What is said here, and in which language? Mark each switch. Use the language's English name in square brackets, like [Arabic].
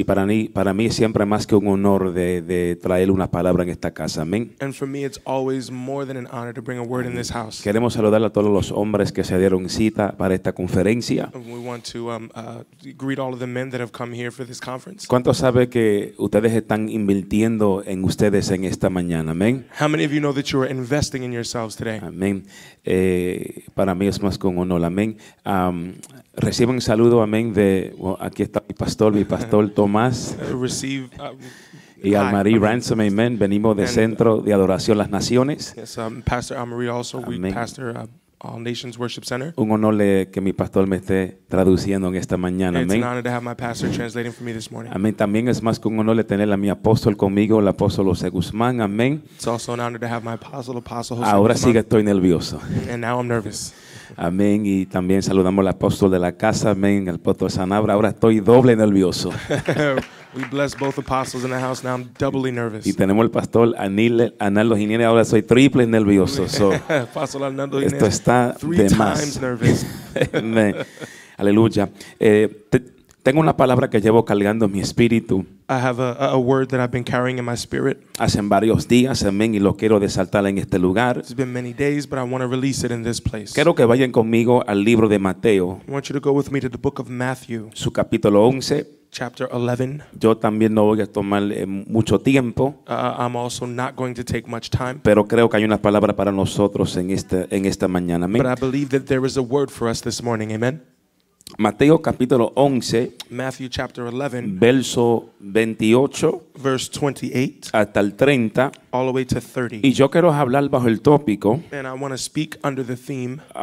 [Spanish] Y para mí es siempre más que un honor de traer una palabra en esta casa. Amén. [English] And for me, it's always more than an honor to bring a word in this house. [Spanish] Queremos saludar a todos los hombres que se dieron cita para esta conferencia. [English] We want to greet all of the men that have come here for this conference. [Spanish] ¿Cuántos saben que ustedes están invirtiendo en ustedes en esta mañana? [English] Amen. How many of you know that you are investing in yourselves today? [Spanish] Amen. Para mí es más que un honor. Amen. Recibo un saludo, amen, de aquí está mi pastor Tomás. [English] Receive [Spanish] y Almarie Ransom, amen. Venimos de Centro de Adoración Las Naciones. [English] Yes, Pastor Almarie also. Amen. We pastor All Nations Worship Center. [Spanish] Un honor que mi pastor me esté traduciendo en esta mañana. [English] It's an honor to have my pastor translating for me this morning. [Spanish] Amén. También es más que un honor tener a mi apóstol conmigo, el apóstol José Guzmán. Amén. [English] It's also an honor to have my apostle José. [Spanish] Ahora sí que estoy nervioso. [English] And now I'm nervous. [Spanish] Amén. Y también saludamos al apóstol de la casa. Amén. El apóstol Sanabra. Ahora estoy doble nervioso. [English] We bless both apostles in the house. Now I'm doubly nervous. [Spanish] Y tenemos el pastor Arnaldo Jiménez. Ahora soy triple nervioso. So, [English] Pastor Arnaldo Jiménez. [Spanish] Esto está [English] three [Spanish] de [English] times [Spanish] más. [English] Nervous. [Spanish] Amen. Aleluya. Tengo una palabra que llevo cargando en mi espíritu. [English] I have a word that I've been carrying in my spirit. [Spanish] Hace varios días, amén, y lo quiero desatar en este lugar. [English] It's been many days, but I want to release it in this place. [Spanish] Quiero que vayan conmigo al libro de Mateo. [English] I want you to go with me to the book of Matthew. [Spanish] Su capítulo 11. [English] Chapter 11. [Spanish] Yo también no voy a tomar mucho tiempo. [English] I'm also not going to take much time. [Spanish] Pero creo que hay una palabra para nosotros en esta mañana. [English] But I believe that there is a word for us this morning. [Spanish] Amen. Mateo capítulo 11. [English] Matthew chapter 11. [Spanish] Verso 28. [English] Verse 28. [Spanish] Hasta el 30. [English] All the way to 30. [Spanish] Y yo quiero hablar bajo el tópico. [English] And I want to speak under the theme.